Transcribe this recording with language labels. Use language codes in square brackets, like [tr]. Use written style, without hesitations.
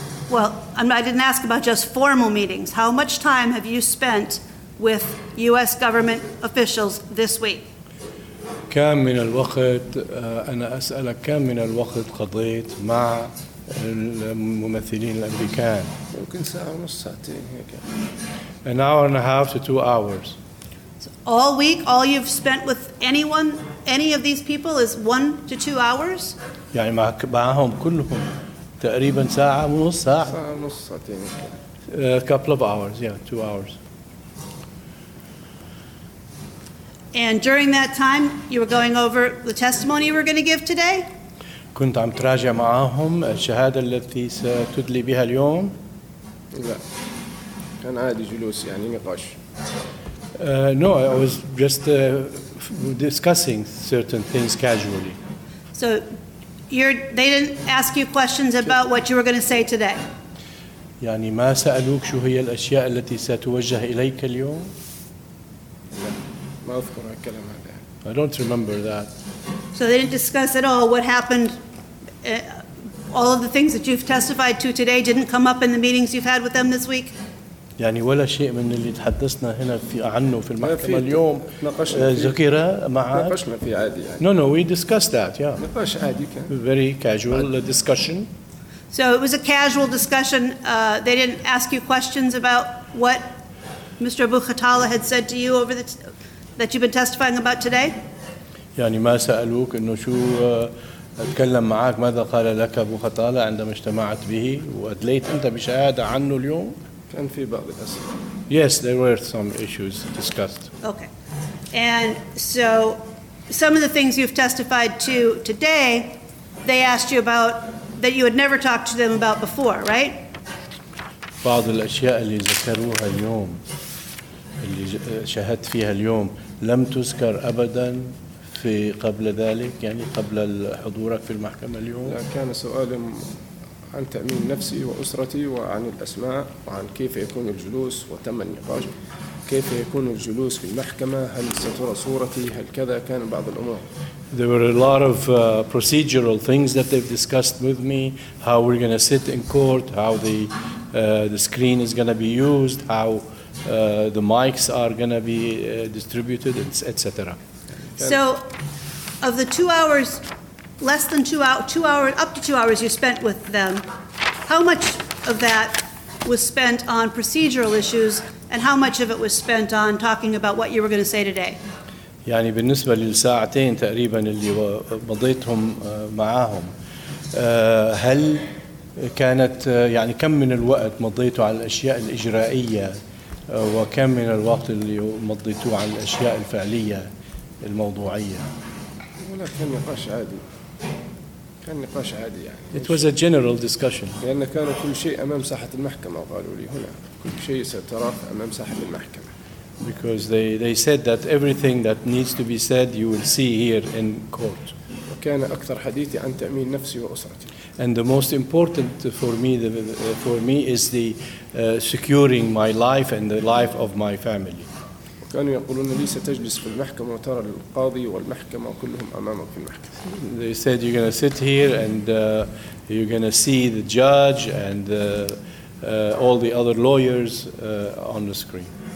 [en] Well, I didn't ask about just formal meetings. How much time have you spent with U.S. government officials this week? [ar] كم من الوقت أنا أسألك كم من الوقت قضيت مع الممثلين الأمريكان؟ ممكن ساعة ونص ساعتين هيك. [en] An hour and a half to 2 hours. So all week, all you've spent with anyone, any of these people, is 1 to 2 hours? [ar] يعني معهم كلهم تقريبا ساعة ونص ساعة. ساعة ونص ساعتين. [en] A couple of hours, yeah, 2 hours. And during that time, you were going over the testimony you were going to give today? [ar] كنت عم تراجع معهم الشهادة التي ستدلي بها اليوم. لا. كان عادي جلوس يعني نقاش. [en] No, I was just discussing certain things casually. So they didn't ask you questions about what you were going to say today? [ar] يعني ما سألوك شو هي الأشياء التي ستوجه إليك اليوم؟ لا ما أذكر الكلام هذا. [en] I don't remember that. So they didn't discuss at all what happened. All of the things that you've testified to today didn't come up in the meetings you've had with them this week. [ar] يعني ولا شيء من اللي تحدثنا هنا في عنه في المحكمة اليوم ذكرى معك. نقشنا في عادي. [en] No, no, we discussed that. Yeah. [ar] نقش عادي كان. [en] Very casual discussion. So it was a casual discussion. They didn't ask you questions about what Mr. Abu Khattala had said to you over that you've been testifying about today. [ar] يعني ما سألوك إنه شو أتكلم معك ماذا قال لك أبو خطالة عندما اجتمعت به وأدليت أنت بشهادة عنه اليوم؟ كان في بعض الأسئلة. [en] Yes, there were some issues discussed. Okay, and so some of the things you've testified to today, they asked you about that you had never talked to them about before, right? [ar] بعض الأشياء اللي ذكروها اليوم اللي شهدت فيها اليوم لم تذكر أبداً في قبل ذلك يعني قبل حضورك في المحكمة اليوم. لا كان سؤال عن تأمين نفسي وأسرتي وعن الأسماء وعن كيف يكون الجلوس وتم النقاش كيف يكون الجلوس في المحكمة هل سترى صورتي هل كذا كان بعض الأمور. [en] There were a lot of procedural things that they've discussed with me, how we're going to sit in court, how the screen is going to be used, how the mics are going to be distributed, etc. So, of the 2 hours, less than two hours, up to 2 hours you spent with them, how much of that was spent on procedural issues, and how much of it was spent on talking about what you were going to say today? [ar] يعني بالنسبة للساعتين تقريبا اللي مضيتهم معهم هل كانت يعني كم من الوقت مضيته على الأشياء الإجرائية وكم من الوقت اللي مضيته على الأشياء الفعلية الموضوعية؟ ولا كان نقاش عادي. كان نقاش عادي يعني. [en] It was a general discussion. [ar] لأن كان كل شيء أمام ساحة المحكمة قالوا لي هنا كل شيء ستراه أمام ساحة المحكمة. [en] Because they said that everything that needs to be said you will see here in court. [ar] وكان أكثر حديثي عن تأمين نفسي وأسرتي. [en] And the most important for me is the securing my life and the life of my family. [ar] كانوا يقولون لي ستجلس في المحكمة وترى القاضي والمحكمة كلهم أمامك في المحكمة. [en] They said you're gonna sit here and you're gonna see the judge and all the other lawyers on the screen.